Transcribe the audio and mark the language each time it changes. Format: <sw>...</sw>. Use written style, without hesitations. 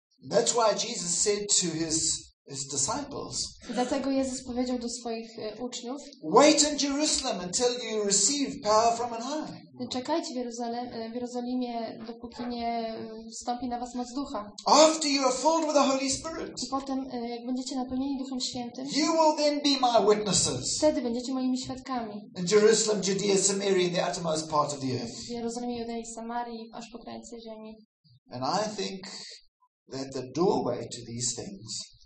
<en>That's why Jesus said to his disciples.</en> <pl>Dlatego Jezus powiedział do swoich uczniów.</pl> <en>Wait in Jerusalem until you receive power from on high.</en> <pl>Czekajcie w Jerozolimie, dopóki nie wstąpi na was moc Ducha.</pl> <en>After you are filled with the Holy Spirit.</en> <pl>I potem jak będziecie napełnieni Duchem Świętym.</pl> <en>You will then be my witnesses.</en> <pl>Wtedy będziecie moimi świadkami.</pl> <en>In Jerusalem, Judea, Samaria, and the uttermost part of the earth.</en> <pl>W Jerozolimie, Judei, Samarii, aż po krańce ziemi.</pl> <en>And I think that the doorway to these things.</en>